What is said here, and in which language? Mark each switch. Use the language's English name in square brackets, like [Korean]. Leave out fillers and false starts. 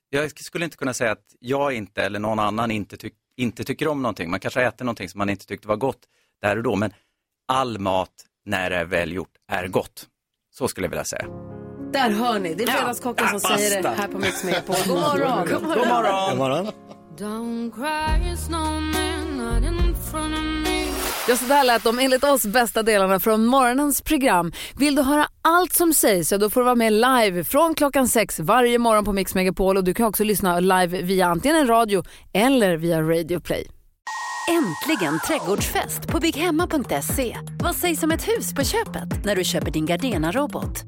[Swedish] Jag skulle inte kunna säga att jag inte eller någon annan inte tycker om någonting. Man kanske äter någonting som man inte tyckte var gott där och då. Men all mat när det är väl gjort är gott. Så skulle jag vilja säga. Där hör ni, det är fredagskocken som säger det här på Mix Megapol. God morgon. God morgon. God morgon. [English] Don't cry, it's no man, not in front of me. [Swedish] Ja, så där lät de enligt oss bästa delarna från morgonens program. Vill du höra allt som sägs så då får du vara med live från klockan 6 varje morgon på Mix Megapol. Och du kan också lyssna live via antingen radio eller via Radio Play. Äntligen trädgårdsfest på bygghemma.se. Vad sägs om ett hus på köpet när du köper din Gardena-robot?